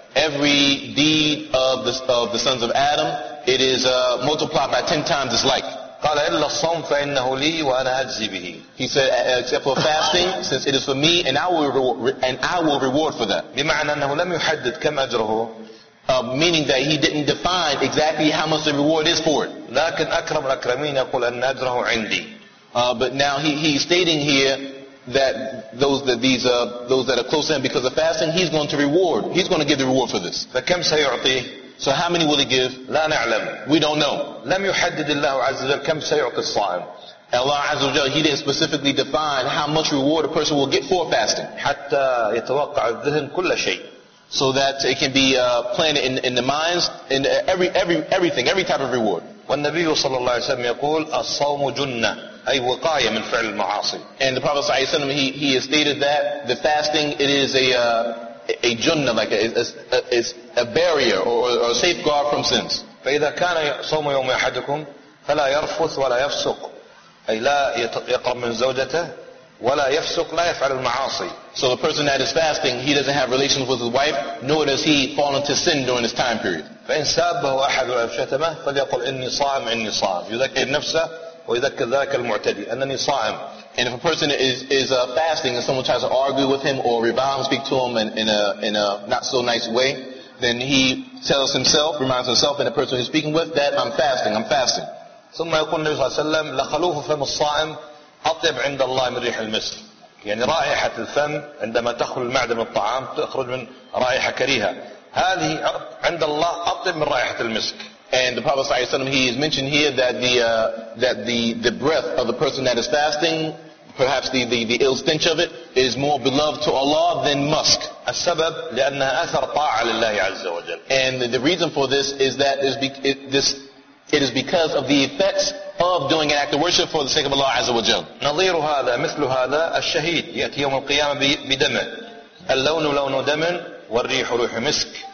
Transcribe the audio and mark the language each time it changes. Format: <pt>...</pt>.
<en>Every deed of the sons of Adam, it is multiplied by 10 times its like.</en> <ar>قال إلا الصوم فإنه لي وأنا أجزي به.</ar> <en>He said, except for fasting, since it is for me, and I will reward for that.</en> <ar>بمعنى أنه لم يحدد كم أجره.</ar> <en>Meaning that he didn't define exactly how much the reward is for it.</en> <ar>لكن أكرم الأكرمين يقول أن أجره عندي.</ar> <en>But now he's stating here that those that are close in, because of fasting, he's going to reward. He's going to give the reward for this.</en> <ar>فكم سيعطي؟</ar> <en>So how many will he give?</en> <ar>لا نعلم.</ar> <en>We don't know.</en> <ar>لم يحدد الله عز وجل كم سيعطي الصائم.</ar> <en>Allah</en> <ar>عز وجل,</ar> <en>He didn't specifically define how much reward a person will get for fasting.</en> <ar>حتى يتوقع الذهن كل شيء.</ar> <en>So that it can be planted in the minds, in everything, every type of reward.</en> <ar>والنبي صلى الله عليه وسلم يقول الصوم جنة أي وقاية من فعل المعاصي.</ar> <en>And the Prophet</en> <ar>صلى الله عليه وسلم,</ar> <en>he has stated that the fasting, it is a junnah, like a barrier or a safeguard from sins.</en> <ar>فإذا كان صوم يوم أحدكم فلا يرفث ولا يفسق أي لا يقرب من زوجته ولا يفسق لا يفعل المعاصي.</ar> <en>So the person that is fasting, he doesn't have relations with his wife, nor does he fall into sin during this time period.</en> <ar>فإن سابه أحد أو شتمه فليقل إني صائم إني صائم يذكر نفسه ويذكر ذاك المعتدي أنني صائم.</ar> <en>And if a person is fasting and someone tries to argue with him or rebound, speak to him in a not so nice way, then he tells himself, reminds himself and the person he's speaking with that I'm fasting.</en> <ar>ثم يقول النبي صلى الله عليه وسلم لخلوف فم الصائم أطيب عند الله من ريح المسك. يعني رائحة الفم عندما تخلو المعدة من الطعام تخرج من رائحة كريهة. هذه عند الله أطيب من رائحة المسك.</ar> <en>And the Prophet</en> <ar>صلى الله عليه وسلم,</ar> <en>he is mentioned here that the breath of the person that is fasting, perhaps the ill stench of it, is more beloved to Allah than musk.</en> <ar>السبب لأنها أثر طاعة لله عز وجل.</ar> <en>And the reason for this is that it is because of the effects of doing an act of worship for the sake of Allah</en> <ar>عز وجل. نظير هذا مثل هذا الشهيد يأتي يوم القيامة بدمه. اللون لون دم والريح ريح مسك.</ar>